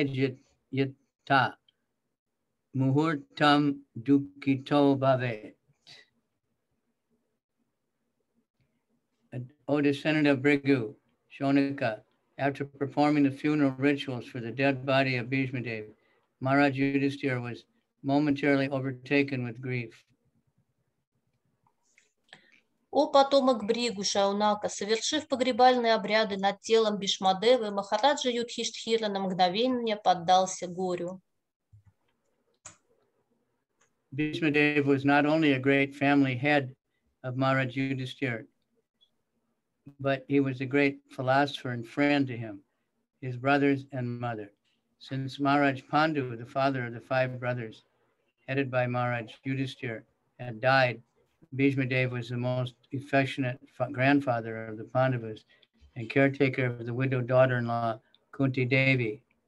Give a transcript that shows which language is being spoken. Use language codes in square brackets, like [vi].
[sa] караджита мухуртам дукито бавет. [en] O descendant of Bhrigu, Shonaka, after performing the funeral rituals for the dead body of Bhishma Dev, Maharaj Yudhisthira was momentarily overtaken with grief. [ru] О потомок Бригу Шаунака, совершив погребальные обряды над телом Бишмадевы, Махараджа Юдхиштхира на мгновение поддался горю. [en] Бишмадев was not only a great family head of Maharaj Yudhisthira, but he was a great philosopher and friend to him, his brothers and mother. Since Maharaj Pandu, the father of the five brothers, headed by Maharaj Yudhisthira, had died, Bhishma Dev was the most affectionate grandfather of the Pandavas and caretaker of the widowed daughter-in-law, Kunti Devi.